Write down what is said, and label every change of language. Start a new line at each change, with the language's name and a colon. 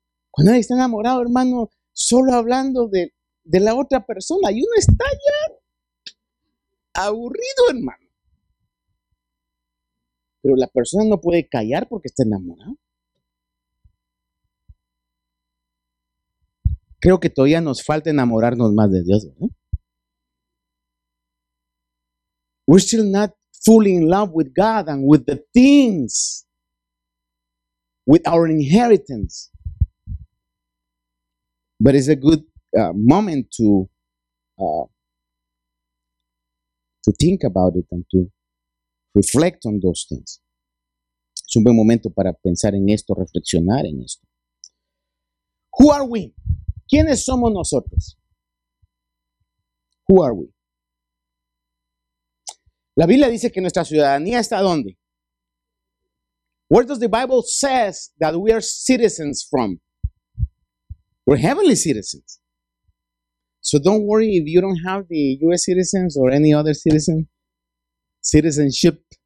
Spanish: Cuando alguien está enamorado, hermano, solo hablando de la otra persona, y uno está ya aburrido, hermano. Pero la persona no puede callar porque está enamorada. Creo que todavía nos falta enamorarnos más de Dios, ¿verdad?
English: We're still not fully in love with God and with the things, with our inheritance. But it's a good moment to think about it and to reflect on those things.
Spanish: Es un buen momento para pensar en esto, reflexionar en esto.
English: Who are we?
Spanish: ¿Quiénes somos nosotros?
English: Who are we?
Spanish: La Biblia dice que nuestra ciudadanía está ¿dónde?
English: Where does the Bible says that we are citizens from? We're heavenly citizens. So don't worry if you don't have the U.S. citizens or any other citizenship.